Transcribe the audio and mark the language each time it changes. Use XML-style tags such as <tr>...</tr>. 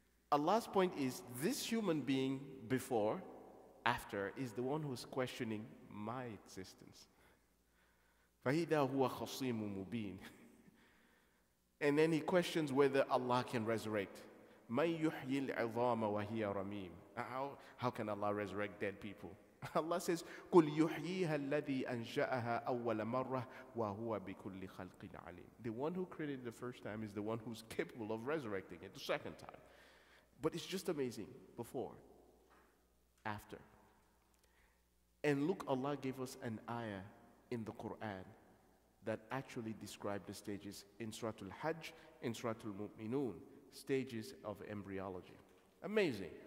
<en>Allah's point is, this human being before, after, is the one who's questioning my existence.</en> <ar>فَهِدَا هُوَ خَصِيمٌ مُبِينٌ.</ar> <en>And then he questions whether Allah can resurrect.</en> <ar>مَنْ يُحْيِي الْعِظَامَ وَهِيَ رَمِيمٌ.</ar> <en>How can Allah resurrect dead people? Allah says,</en> <ar>قُلْ يُحْيِيهَا الَّذِي أَنْشَأَهَا أَوَّلَ مَرَّةٍ وَهُوَ بِكُلِّ خَلْقٍ عَلِيمٌ.</ar> <en>The one who created the first time is the one who's capable of resurrecting it the second time. But it's just amazing. Before, after. And look, Allah gave us an ayah in the Quran that actually described the stages in Surah Al-Hajj, in Surah Al-Mu'minun, stages of embryology. Amazing.</en>